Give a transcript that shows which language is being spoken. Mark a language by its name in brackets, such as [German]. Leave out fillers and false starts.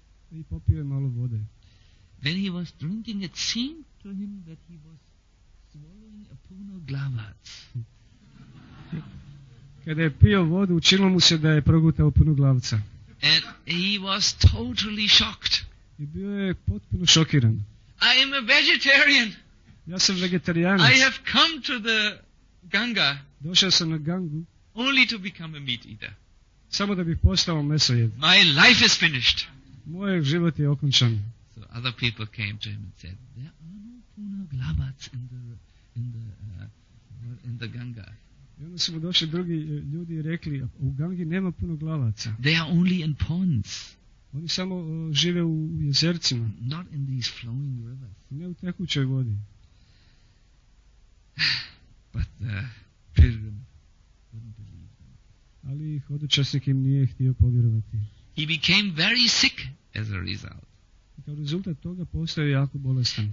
[Croatian] I popio je malo vode. [English] When he was drinking, it seemed to him that he was swallowing a puno glavac. [Croatian] Kada je pio vodu, učinilo mu se da je progutao puno glavca. [English] And he was totally shocked. [Croatian] I bio je potpuno šokiran. [English] I am a vegetarian. [Croatian] Ja sam vegetarijanac. [English] I have come to the Ganga. [Croatian] Došao sam na Gangu. [English] Only to become a meat eater. [Croatian] Samo da bih postao mesojed. [English] My life is finished. [Croatian] Moj život je okončan. [English] So other people came to him and said, there are no puno glavac in the Ganga. [Croatian] I onda su mu došli drugi ljudi i rekli, u Gangi nema puno glavaca. [English] They are only in ponds. [Croatian] Oni samo žive u jezercima. [English] Not in these flowing rivers. [Croatian] Ne u tekućoj vodi. [English] But the pilgrim didn't believe them. [Croatian] Ali hodočasnik im nije htio povjerovati. [English] He became very sick as a result. [Croatian] I kao rezultat toga postao je jako bolestan.